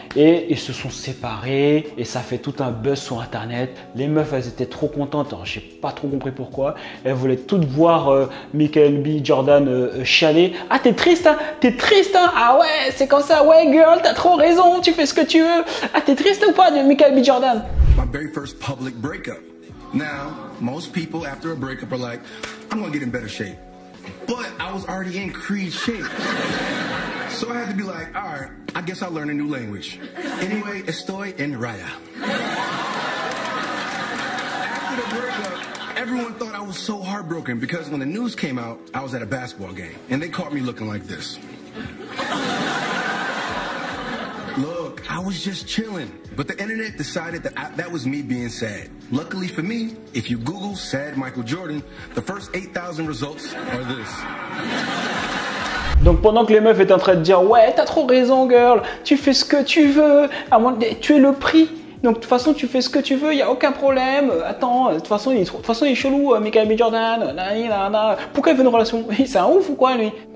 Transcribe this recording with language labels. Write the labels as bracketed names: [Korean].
[French] Et ils se sont séparés et ça fait tout un buzz sur Internet. Les meufs, elles étaient trop contentes. Alors, j'ai pas trop compris pourquoi. Elles voulaient toutes voir Michael B. Jordan chialer. Ah, t'es triste, hein? T'es triste, hein? Ah ouais, c'est comme ça. Ouais, girl, t'as trop raison. Tu fais ce que tu veux. Ah, t'es triste ou pas de Michael B. [English] Jordan? My very first public breakup. Now, most people after a breakup are like, I'm gonna get in better shape. But I was already in Creed shape. So I had to be like, all right, I guess I'll learn a new language. Anyway, [Spanish] estoy en raya. [English] After the breakup, everyone thought I was so heartbroken because when the news came out, I was at a basketball game and they caught me looking like this. Look, I was just chilling, but the internet decided that that was me being sad. Luckily for me, if you Google sad Michael Jordan, the first 8,000 results are this. [French] Donc pendant que les meufs étaient en train de dire, ouais, t'as trop raison, girl, tu fais ce que tu veux, à moins de tuer le prix. Donc de toute façon, tu fais ce que tu veux, il n'y a aucun problème. Attends, de toute façon, il est chelou, Michael B. Jordan. Pourquoi il veut une relation? C'est un ouf ou quoi, lui?